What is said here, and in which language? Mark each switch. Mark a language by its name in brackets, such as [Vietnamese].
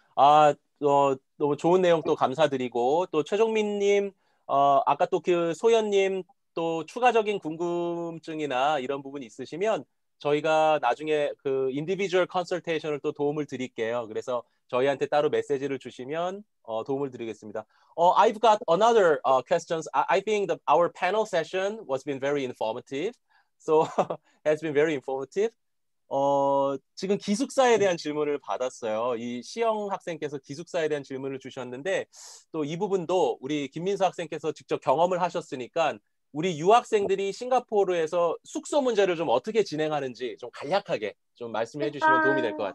[Korean] 아 너무 좋은 내용 또 감사드리고 또 최종민님 아까 또 그 소연님 또 추가적인 궁금증이나 이런 부분 있으시면. 저희가 나중에 그 인디비주얼 컨설테이션을 또 도움을 드릴게요. 그래서 저희한테 따로 메시지를 주시면 도움을 드리겠습니다. [English] I've got another questions. I think our panel session was been very informative. So has been very informative. [Korean] 지금 기숙사에 대한 질문을 받았어요. 이 시영 학생께서 기숙사에 대한 질문을 주셨는데 또 이 부분도 우리 김민서 학생께서 직접 경험을 하셨으니까 우리 유학생들이 싱가포르에서 숙소 문제를 좀 어떻게 진행하는지 좀 간략하게 좀 말씀해 주시면 도움이 될 것 같아요.